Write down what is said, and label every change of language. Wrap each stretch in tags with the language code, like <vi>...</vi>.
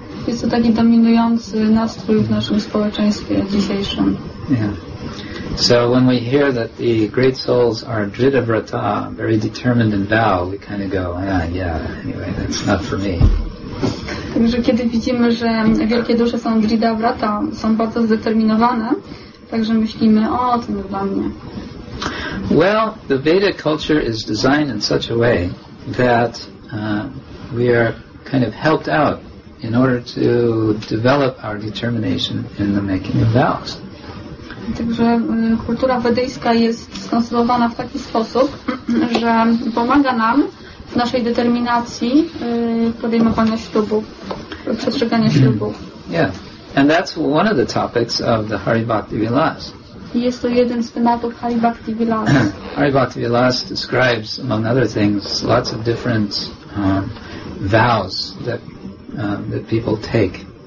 <pl>Jest to taki dominujący nastrój w naszym społeczeństwie dzisiejszym.</pl> <en>So when we hear that the great souls are dhritavrata, very determined and vow, we kind of go, anyway, that's not for me.</en> <pl>Także kiedy widzimy, że wielkie dusze są dhritavrata, są bardzo zdeterminowane, także myślimy, o, to nie dla mnie.</pl> <en>Well, the Vedic culture is designed in such a way that we are kind of helped out in order to develop our determination in the making of vows.</en> <pl>Także kultura wedyjska jest skonstruowana w taki sposób, że pomaga nam w naszej determinacji podejmowania ślubów, przestrzegania ślubów.</pl> <en>Yeah, and that's one of the topics of the Hari Bhakti Vilas.</en> <pl>Jest to jeden z tematów Hari Bhakti Vilas.</pl> <en>Hari Bhakti Vilas describes, among other things, lots of different vows that that people take.</en>